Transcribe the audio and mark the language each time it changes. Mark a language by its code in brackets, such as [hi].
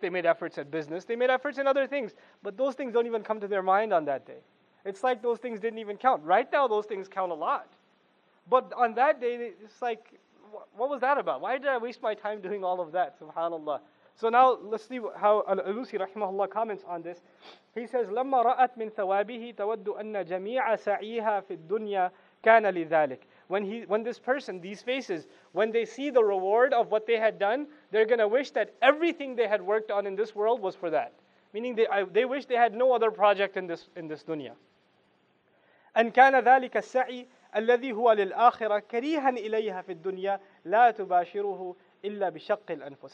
[en] They made efforts at business. They made efforts in other things. But those things don't even come to their mind on that day. It's like those things didn't even count. Right now, those things count a lot. But on that day, it's like, what was that about? Why did I waste my time doing all of that? SubhanAllah. So now, let's see how Al-Alusi rahimahullah comments on this. He says, [ar] لَمَّا رَأَتْ مِنْ ثَوَابِهِ تَوَدُّ أَنَّ جَمِيعَ سَعِيهَا فِي الدُّنْيَا كَانَ لِذَلِكَ. [en] When this person, these faces, when they see the reward of what they had done, they're going to wish that everything they had worked on in this world was for that. Meaning they wish they had no other project in this dunya. [ar] And كَانَ ذَلِكَ السَّعِي الَّذِي هُوَ لِلْآخِرَةِ كَرِيهًا إِلَيْهَا فِي الدُّنْيَا لَا تُبَاشِرُهُ إِلَّا بِشَقِّ الْأَنفُسِ.